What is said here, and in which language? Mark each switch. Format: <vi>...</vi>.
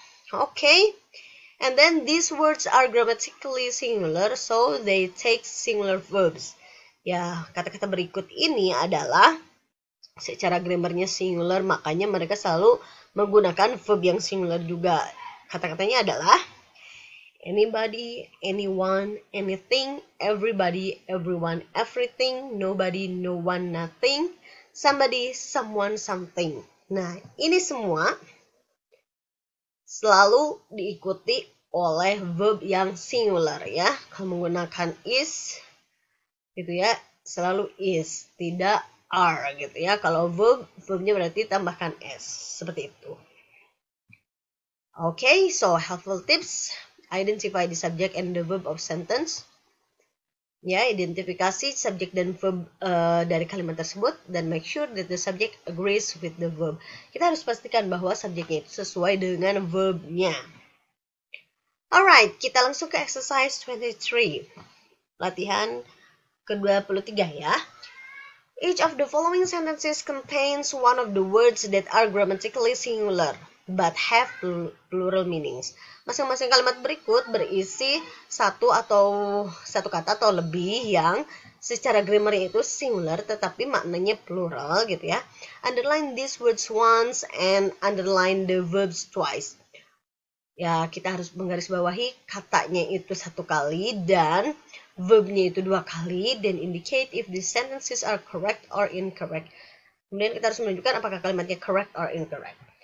<en>Okay, and then these words are grammatically singular, so they take singular verbs.</en> <id>Ya, kata-kata berikut ini adalah secara grammarnya singular, makanya mereka selalu menggunakan verb yang singular juga. Kata-katanya adalah anybody, anyone, anything, everybody, everyone, everything, nobody, no one, nothing, somebody, someone, something. Nah, ini semua selalu diikuti oleh verb yang singular ya. Kalau menggunakan is, gitu ya, selalu is, tidak are gitu ya. Kalau verb, verbnya berarti tambahkan s, seperti itu.</id> <en>Okay, so helpful tips. Identify the subject and the verb of sentence.</en> <id>Ya, identifikasi subject dan verb dari kalimat tersebut.</id> <en>Dan make sure that the subject agrees with the verb.</en> <id>Kita harus pastikan bahwa subjeknya itu sesuai dengan verbnya. Alright, kita langsung ke exercise 23. Latihan ke-23 ya.</id> <en>Each of the following sentences contains one of the words that are grammatically singular but have plural meanings.</en> <id>Masing-masing kalimat berikut berisi satu atau satu kata atau lebih yang secara grammar itu singular tetapi maknanya plural gitu ya.</id> <en>Underline these words once and underline the verbs twice.</en> <id>Ya, kita harus menggarisbawahi katanya itu satu kali dan verbnya itu dua kali,</id> <en>then indicate if the sentences are correct or incorrect.</en> <id>Kemudian kita harus menunjukkan apakah kalimatnya correct or incorrect.</id>